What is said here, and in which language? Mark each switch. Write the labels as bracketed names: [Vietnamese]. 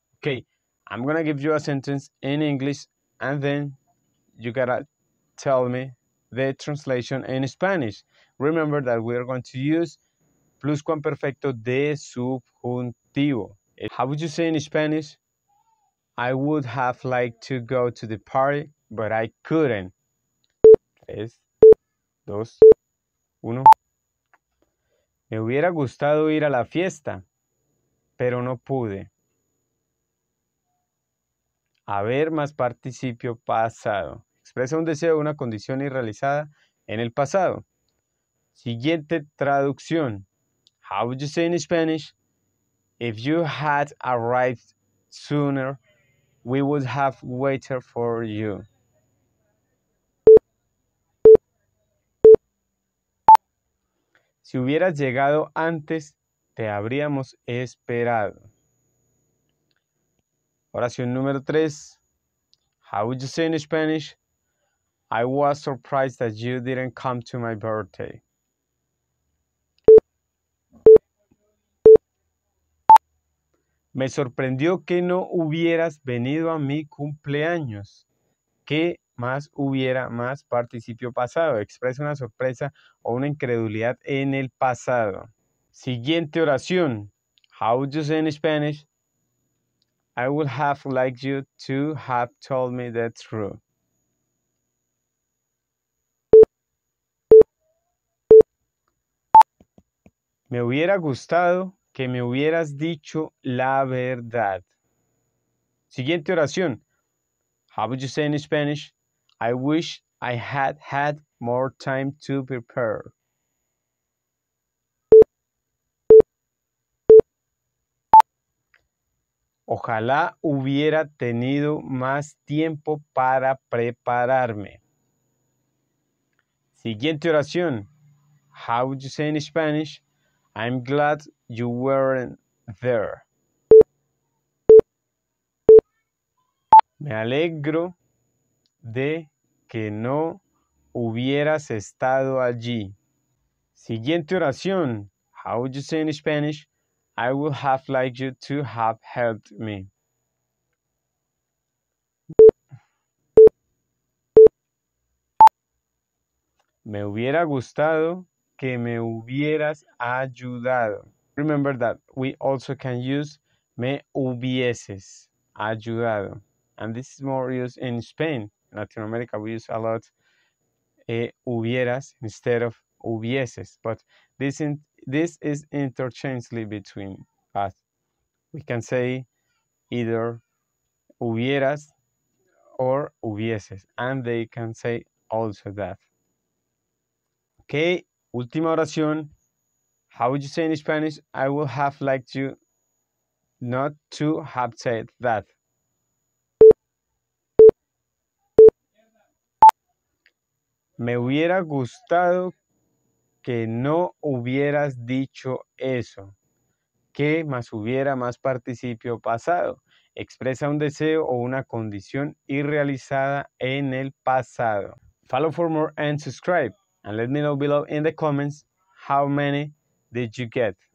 [English] Okay, I'm gonna give you a sentence in English and then you gotta tell me the translation in Spanish. Remember that we are going to use pluscuamperfecto de subjuntivo. How would you say in Spanish? I would have liked to go to the party, but I couldn't. [Spanish] Tres, dos, uno. Me hubiera gustado ir a la fiesta, pero no pude. A ver más participio pasado. Expresa un deseo o una condición irrealizada en el pasado. Siguiente traducción. [English] How would you say in Spanish? If you had arrived sooner, we would have waited for you. [Spanish] Si hubieras llegado antes, te habríamos esperado. Oración número 3. [English] How would you say in Spanish? I was surprised that you didn't come to my birthday. [Spanish] Me sorprendió que no hubieras venido a mi cumpleaños. ¿Qué más hubiera más participio pasado? Expresa una sorpresa o una incredulidad en el pasado. Siguiente oración. [English] How would you say in Spanish? I would have liked you to have told me the truth. [Spanish] Me hubiera gustado que me hubieras dicho la verdad. Siguiente oración. [English] How would you say in Spanish? I wish I had had more time to prepare. [Spanish] Ojalá hubiera tenido más tiempo para prepararme. Siguiente oración. [English] How would you say in Spanish? I'm glad you weren't there. [Spanish] Me alegro de que no hubieras estado allí. Siguiente oración. [English] How would you say in Spanish? I would have liked you to have helped me. [Spanish] Me hubiera gustado que me hubieras ayudado. [English] Remember that we also can use [Spanish] me hubieses ayudado. [English] And this is more used in Spain. In Latin America, we use a lot hubieras instead of hubieses. But this is interchangeably between us. We can say either hubieras or hubieses. And they can say also that. Okay, [Spanish] última oración. [English] How would you say in Spanish? I would have liked you not to have said that. [Spanish] Me hubiera gustado que no hubieras dicho eso. ¿Qué más hubiera más participio pasado? Expresa un deseo o una condición irrealizada en el pasado. [English] Follow for more and subscribe. And let me know below in the comments how many did you get.